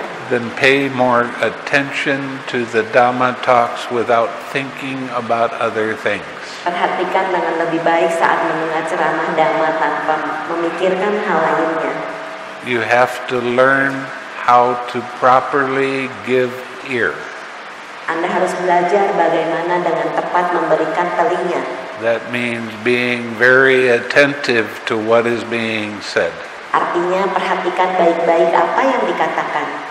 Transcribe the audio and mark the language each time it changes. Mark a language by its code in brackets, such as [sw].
[en] Then pay more attention to the Dhamma talks without thinking about other things. [id] Perhatikan dengan lebih baik saat mendengar ceramah Dhamma tanpa memikirkan hal lainnya. [en] You have to learn how to properly give ear. [id] Anda harus belajar bagaimana dengan tepat memberikan telinga. [en] That means being very attentive to what is being said. [id] Artinya perhatikan baik-baik apa yang dikatakan.